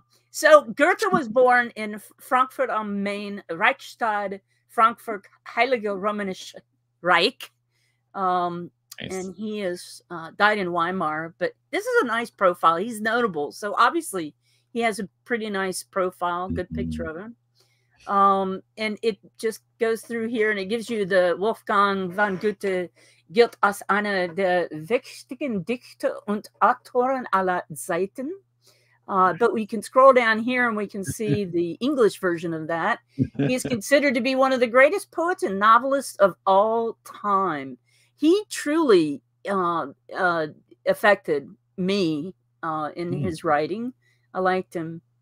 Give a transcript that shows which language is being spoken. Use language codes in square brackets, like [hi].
[en] So Goethe was born in Frankfurt am Main, Reichstadt, Frankfurt, Heilige Romanische Reich. Nice. And he is died in Weimar. But this is a nice profile. He's notable. So obviously, he has a pretty nice profile, good picture of him. And it just goes through here and it gives you the [de] Wolfgang von Goethe gilt als einer der wichtigen Dichter und Autoren aller Zeiten. [en] But we can scroll down here and we can see the English version of that. He is considered to be one of the greatest poets and novelists of all time. He truly affected me in his writing. I liked him.